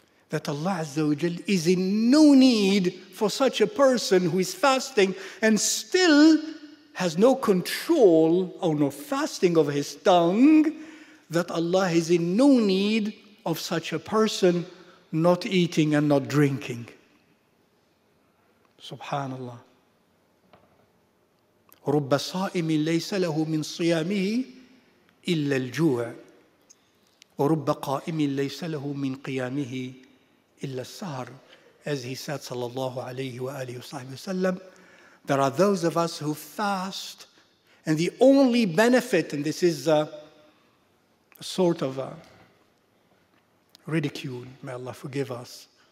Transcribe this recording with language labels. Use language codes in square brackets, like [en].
[en] That Allah Azza wa Jal is in no need for such a person who is fasting and still has no control or no fasting of his tongue, that Allah is in no need of such a person not eating and not drinking. [ar] Subhanallah. رب صائم ليس له من صيامه إلا الجوع ورب قائم ليس له من قيامه إلا السهر. [en] As he said sallallahu alayhi wa alihi wa sallam, there are those of us who fast, and the only benefit, and this is a sort of a ridicule, may Allah forgive us.